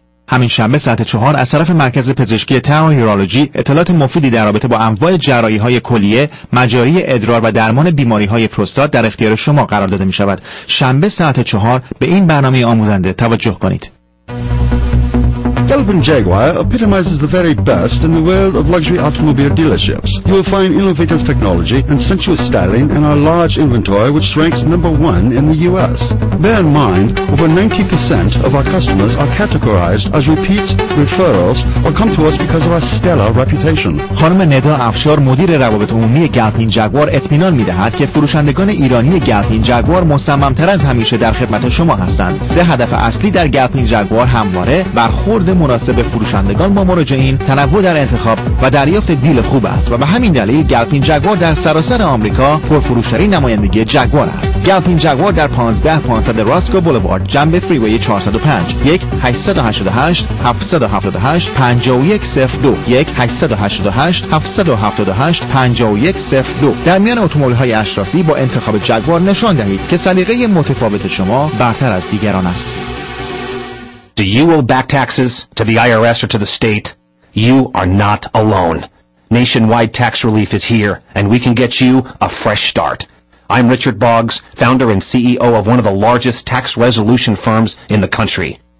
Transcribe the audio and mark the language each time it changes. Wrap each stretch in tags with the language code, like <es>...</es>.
<fa>همین شنبه ساعت 4 از طرف مرکز پزشکی تاو یورولوژی اطلاعات مفیدی در رابطه با انواع جراحی های کلیه، مجاری ادرار و درمان بیماری های پروستات در اختیار شما قرار داده می شود. شنبه ساعت 4 به این برنامه آموزنده توجه کنید.</fa> <en>Galvin Jaguar epitomizes the very best in the world of luxury automobile dealerships. You will find innovative technology and sensuous styling in our large inventory, which ranks number one in the U.S. Bear in mind, over 90% of our customers are categorized as repeats, referrals, or come to us because of our stellar reputation.</en> <fa>خانم ندا افشار، مدیر روابط عمومی Galvin Jaguar، اطمینان می‌دهد که فروشندگان ایرانی Galvin Jaguar مصمم‌تر از همیشه در خدمت شما هستند. سه هدف اصلی در Galvin Jaguar همواره برخورد مناسب فروشندگان با مراجعین، تنوع در انتخاب و دریافت دیل خوب است و به همین دلیل Galvin Jaguar در سراسر آمریکا پرفروش‌ترین نمایندگی جگوار است. Galvin Jaguar در 15500 راسکو بولوارد جنب فریوی 405، 1-888-778-5102، 1-888-778-5102. در میان اتومبیل‌های اشرافی با انتخاب جگوار نشان دهید که سلیقه متفاوت شما برتر از دیگران است.</fa> <en>Do you owe back taxes to the IRS or to the state? You are not alone. Nationwide Tax Relief is here, and we can get you a fresh start. I'm Richard Boggs, founder and CEO of one of the largest tax resolution firms in the country.</en>